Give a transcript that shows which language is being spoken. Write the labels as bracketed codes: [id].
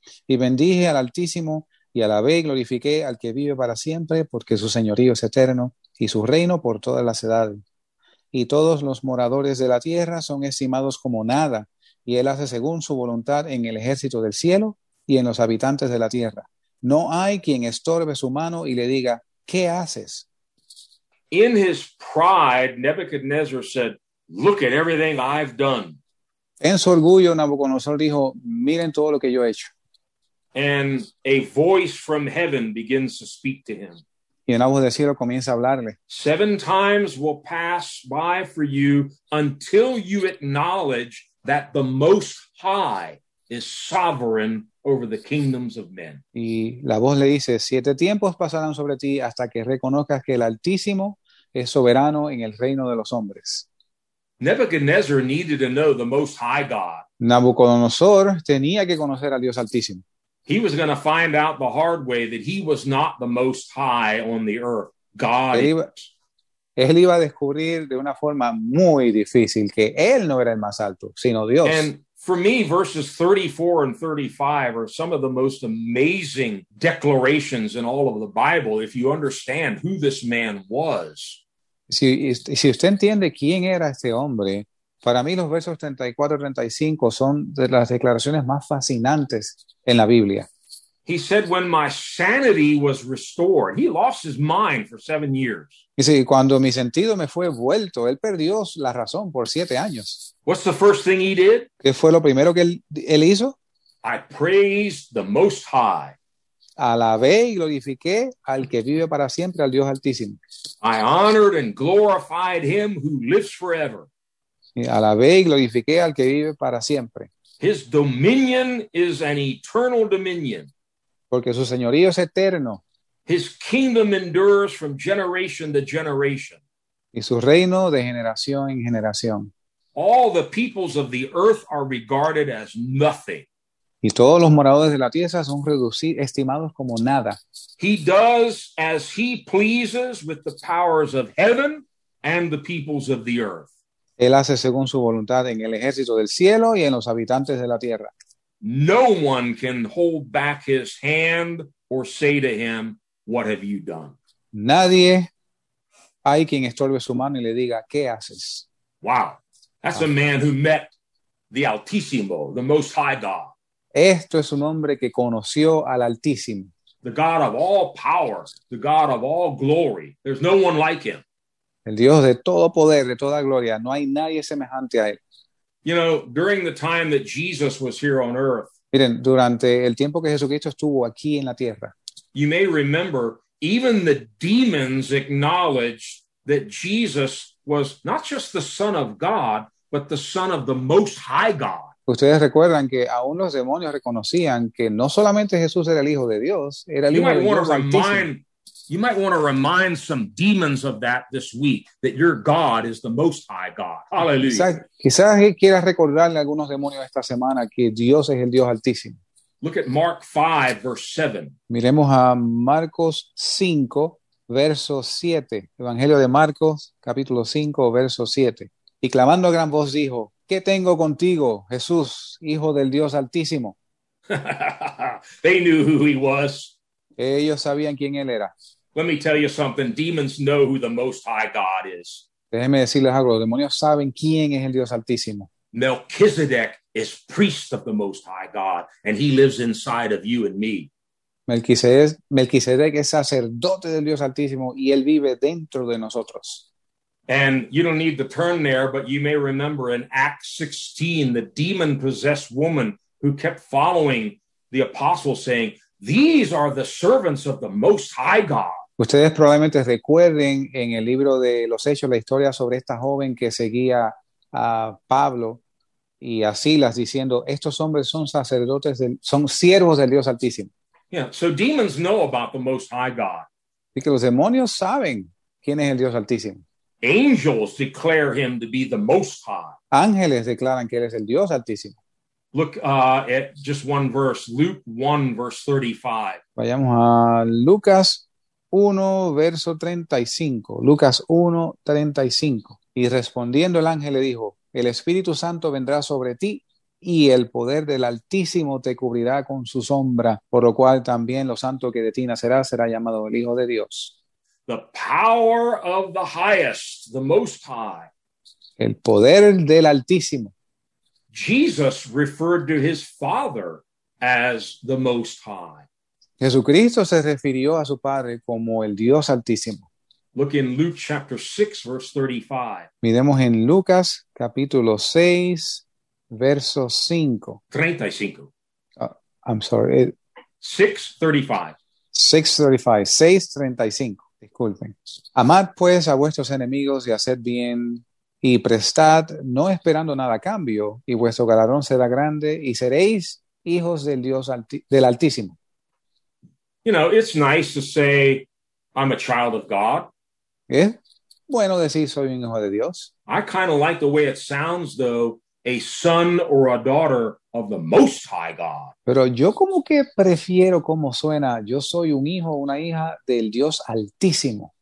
[es] Y bendije al Altísimo, y alabé y glorifiqué al que vive para siempre, porque su señorío es eterno, y su reino por todas las edades. Y todos los moradores de la tierra son estimados como nada, y él hace según su voluntad en el ejército del cielo y en los habitantes de la tierra. No hay quien estorbe su mano y le diga, ¿qué haces? [en] In his pride, Nebuchadnezzar said, look at everything I've done. [es] En su orgullo, Nabucodonosor dijo, miren todo lo que yo he hecho. [en] And a voice from heaven begins to speak to him. [es] Y una voz del cielo comienza a hablarle. [en] 7 times will pass by for you until you acknowledge that the Most High is sovereign over the kingdoms of men. [es] Y la voz le dice, 7 tiempos pasarán sobre ti hasta que reconozcas que el Altísimo es soberano en el reino de los hombres. [en] Nebuchadnezzar needed to know the Most High God. [es] Nabucodonosor tenía que conocer al Dios Altísimo. [en] He was going to find out the hard way that he was not the Most High on the earth. God. [es] Él iba a descubrir de una forma muy difícil que él no era el más alto, sino Dios. [en] And for me, verses 34 and 35 are some of the most amazing declarations in all of the Bible if you understand who this man was. [es] Si usted entiende quién era este hombre, para mí los versos 34 y 35 son de las declaraciones más fascinantes en la Biblia. [en] He said, when my sanity was restored, he lost his mind for 7 years. [es] Dice, cuando mi sentido me fue vuelto, él perdió la razón por 7 años. [en] What's the first thing he did? [es] ¿Qué fue lo primero que él hizo? [en] I praised the Most High. [es] Alabé y glorifiqué al que vive para siempre, al Dios Altísimo. [en] I honored and glorified him who lives forever. [es] Alabé y glorifiqué al que vive para siempre. [en] His dominion is an eternal dominion. [es] Porque su señorío es eterno. [en] His kingdom endures from generation to generation. [es] Y su reino de generación en generación. [en] All the peoples of the earth are regarded as nothing. [es] Y todos los moradores de la tierra son reducidos, estimados como nada. [en] He does as he pleases with the powers of heaven and the peoples of the earth. [es] Él hace según su voluntad en el ejército del cielo y en los habitantes de la tierra. [en] No one can hold back his hand or say to him, "What have you done?" [es] Nadie hay quien estorbe su mano y le diga, ¿qué haces? [en] Wow. That's a man who met the Altísimo, the Most High God. [es] Esto es un hombre que conoció al Altísimo. [en] The God of all power, the God of all glory. There's no one like him. [es] El Dios de todo poder, de toda gloria. No hay nadie semejante a él. [en] You know, during the time that Jesus was here on earth. [es] Miren, durante el tiempo que Jesucristo estuvo aquí en la tierra. [en] You may remember, even the demons acknowledged that Jesus was not just the Son of God, but the Son of the Most High God. [es] Ustedes recuerdan que aún los demonios reconocían que no solamente Jesús era el Hijo de Dios, era el Hijo de Dios Altísimo. [en] You might want to remind some demons of that this week, that your God is the Most High God. Hallelujah. [es] Quizás quieras recordarle a algunos demonios esta semana que Dios es el Dios Altísimo. [en] Look at Mark 5, verse 7. [es] Miremos a Marcos 5, verso 7. Evangelio de Marcos, capítulo 5, verso 7. Y clamando a gran voz dijo, ¿qué tengo contigo, Jesús, Hijo del Dios Altísimo? [en] They knew who he was. [es] Ellos sabían quién él era. [en] Let me tell you something. Demons know who the Most High God is. [es] Déjeme decirles algo. Los demonios saben quién es el Dios Altísimo. [en] Melchizedek is priest of the Most High God, and he lives inside of you and me. [es] Melquisedec es sacerdote del Dios Altísimo, y él vive dentro de nosotros. [en] And you don't need to turn there, but you may remember in Acts 16, the demon-possessed woman who kept following the apostle saying, "These are the servants of the Most High God." [es] Ustedes probablemente recuerden en el libro de los Hechos la historia sobre esta joven que seguía a Pablo y a Silas diciendo, estos hombres son sacerdotes, son siervos del Dios Altísimo. [en] Yeah, so demons know about the Most High God. [es] Y que los demonios saben quién es el Dios Altísimo. [en] Angels declare him to be the Most High. [es] Ángeles declaran que él es el Dios Altísimo. [en] Look at just one verse, Luke 1, verse 35. [es] Vayamos a Lucas 1, verso 35. Lucas 1, 35. Y respondiendo el ángel le dijo, el Espíritu Santo vendrá sobre ti y el poder del Altísimo te cubrirá con su sombra, por lo cual también lo santo que de ti nacerá será llamado el Hijo de Dios. [en] The power of the highest, the Most High. [es] El poder del Altísimo. [en] Jesus referred to his Father as the Most High. [es] Jesucristo se refirió a su Padre como el Dios Altísimo. [en] Look in Luke chapter 6, verse 35. [es] Miremos en Lucas capítulo 6, verso 5. [en] 35. I'm sorry. 6:35. [es] Disculpen. Amad pues a vuestros enemigos y haced bien y prestad, no esperando nada a cambio, y vuestro galardón será grande y seréis hijos del Dios del Altísimo. [en] You know, it's nice to say I'm a child of God. [es] Es bueno decir soy un hijo de Dios. [en] I kind of like the way it sounds, though, a son or a daughter of the Most High God. [es] Pero yo como que prefiero como suena, yo soy un hijo o una hija del Dios Altísimo.